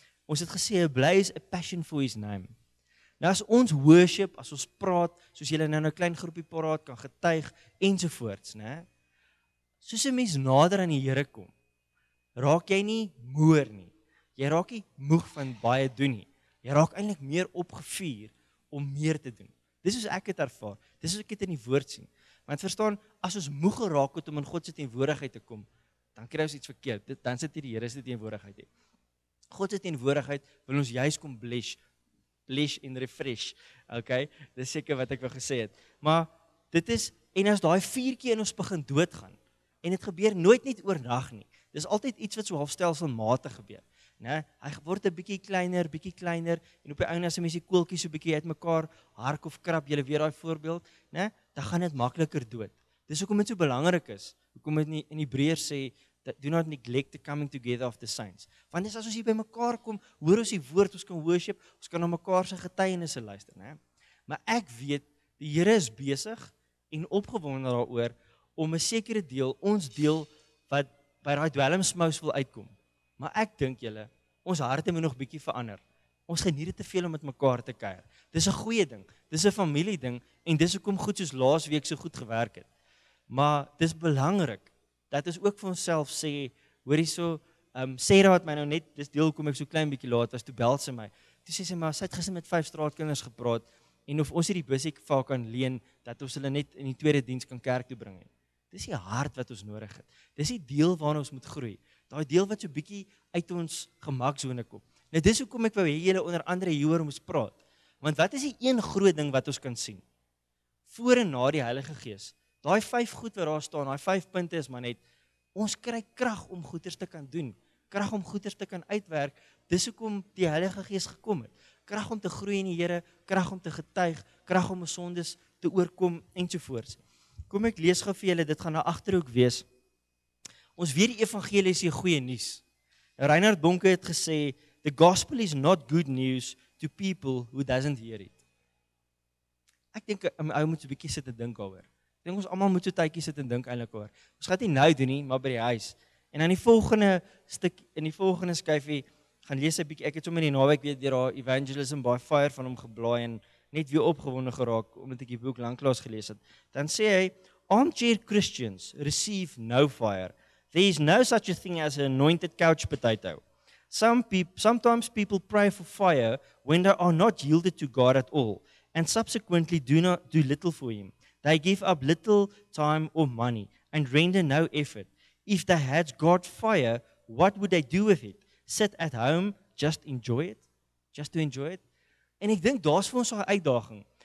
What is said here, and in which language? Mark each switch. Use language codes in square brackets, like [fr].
[af] Ons het gesê [en] a blaze a passion for his name. [af] Nou as ons worship, as ons praat, soos julle nou 'n klein groepie praat kan getuig ensovoorts, né? Soos 'n mens nader aan die Here kom, raak jy nie moer nie. Jy raak nie moeg van baie doen nie. Jy raak eintlik meer opgevuur om meer te doen. Dis hoe ek het ervaar. Dis hoe ek dit in die woord sien. Want verstaan, as ons moeg geraak het om in God se teenwoordigheid te kom, dan kry ons iets verkeerd. Dan sit hier die Here se teenwoordigheid hê. God se teenwoordigheid wil ons juis kom bless en refresh. Okay? Dis seker wat ek wou gesê het. Maar dit is en as daai vuurtjie in ons begin doodgaan en dit gebeur nooit net oornag nie. Dis altyd iets wat so halfstelselmatig gebeur, né? Hy word 'n bietjie kleiner en op die ou nasie mens die koeltjies so bietjie uitmekaar hark of krap, jy weet daai voorbeeld, né? Dan gaan dit makliker dood. Dis hoekom dit so belangrik is. Hoekom dit nie in Hebreërs sê [en] that do not neglect the coming together of the saints. [af] Want dis as ons hier by mekaar kom, hoor ons die woord, ons kan worship, ons kan na mekaar se getuienisse luister, né? Maar ek weet die Here is besig en opgewonde daaroor om 'n sekere deel, ons deel wat by daai dwelmsmous wil uitkom. Maar ek dink julle, ons harte moet nog bietjie verander. Ons geniet dit te veel om met mekaar te kuier. Dis 'n goeie ding. Dis 'n familie ding en dis hoekom goed soos laas week so goed gewerk het. Maar dis belangrik dat ons ook vir onsself sê, hoor hierso, Sarah het my nou net dis deel kom ek so klein bietjie laat was toe bel sy my. Toe sê sy maar sy het gister met 5 straatkinders gepraat en of ons hierdie busie vir kan leen dat ons hulle net in die tweede diens kan kerk toe bring. Dis die hart wat ons nodig het. Dis die deel waarna ons moet groei. Daai deel wat so bietjie uit ons gemaksone kom. Nou dis hoekom ek wou hê julle onder andere hieroor moet praat. Want wat is die een groot ding wat ons kan sien? Voor en na die Heilige Gees. Daai 5 goed wat daar staan, daai 5 punte is maar net ons kry krag om goeders te kan doen, krag om goeders te kan uitwerk. Dis hoekom die Heilige Gees gekom het. Krag om te groei in die Here, krag om te getuig, krag om ons sondes te oorkom ensovoorts. Kom ek lees gou vir julle, dit gaan na agterhoek wees. Ons weet die evangelie is die goeie nuus. Reinhard Bonke het gesê, [en] "The gospel is not good news to people who doesn't hear it." [af] Ek dink ou moet 'n bietjie sit en dink daaroor. Ek dink ons almal moet so tydjie sit en dink eintlik oor. Ons gaan dit nou doen nie, maar by die huis. En dan die volgende stuk in die volgende skyfie gaan lees 'n bietjie. Ek het sommer in die naweek weer deur haar Evangelism by Fire van hom geblaai en net weer opgewonde geraak omdat ek die boek lanklaas gelees het. Dan sê hy, [en] "Armchair Christians receive no fire. There is no such a thing as an anointed couch potato. Sometimes people pray for fire when they are not yielded to God at all, and subsequently do not do little for Him. They give up little time or money and render no effort. If they had God fire, what would they do with it? Sit at home, just enjoy it? Just to enjoy it? [af] En ek dink daar's vir ons 'n uitdaging.